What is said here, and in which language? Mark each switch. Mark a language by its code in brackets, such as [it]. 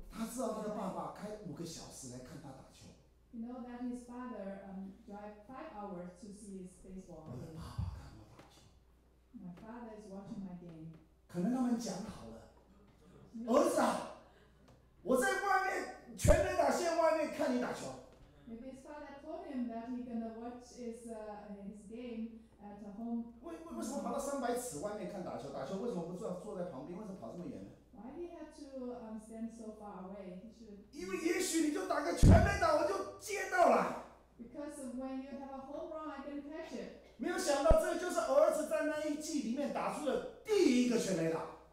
[zh] 他知道他的爸爸开五个小时来看他打球。 [en] You know that his father drive 5 hours to see his baseball game. [zh] 我的爸爸看我打球。 [en] My father is watching my game. [zh] 可能他们讲好了，儿子啊，我在外面全垒打线外面看你打球。 [en] Maybe his father told him that he's gonna watch his game at home. [zh] 为什么跑到300尺外面看打球？打球为什么不坐在旁边？为什么跑这么远呢？ [en] Why he had to stand so far away? He should. [zh] 因为也许你就打个全垒打，我就接到了。 [en] Because when you have a home run, I can catch it. [zh] 没有想到，这就是儿子在那一季里面打出的第一个全垒打。